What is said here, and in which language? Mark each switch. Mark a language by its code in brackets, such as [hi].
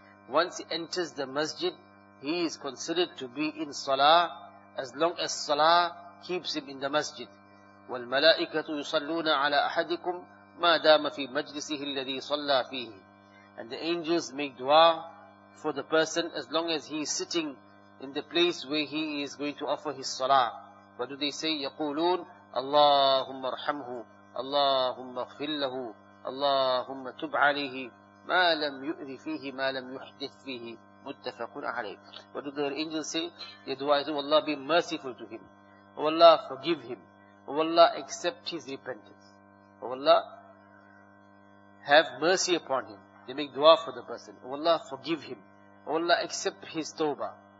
[en] Once he enters the masjid, he is considered to be in salah, as long as salah keeps him in the masjid. [ar] وَالْمَلَائِكَةُ يُصَلُّونَ عَلَىٰ أَحَدِكُمْ مَا دَامَ فِي مَجْلِسِهِ الَّذِي صَلَّى فِيهِ. [en] And the angels make dua for the person as long as he is sitting in the place where he is going to offer his salah. What do they say? [ar] يَقُولُونَ اللهم ارحمه اللهم اغفر له اللهم تب عليه ما لم يؤذ فيه ما لم يحدث فيه متفق عليه. [en] What do the angels say? They dua is, oh Allah, be merciful to him. Oh Allah, forgive him. Oh Allah, accept his repentance. Oh Allah, have mercy upon him. They make dua for the person. Oh Allah, forgive him. Oh Allah, accept his tawbah.